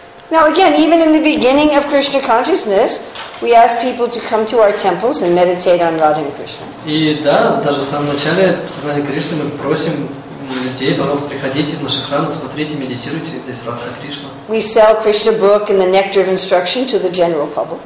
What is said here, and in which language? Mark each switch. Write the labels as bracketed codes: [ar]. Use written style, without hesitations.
[en] Now again, even in the beginning of Krishna consciousness, we ask people to come to our temples and meditate on Radha and Krishna. [ru] И да, даже в самом начале сознания Кришны мы просим людей, пожалуйста, приходите в наши храмы, смотрите, медитируйте здесь Радха Кришна. [en] We sell Krishna book and the nectar of instruction to the general public.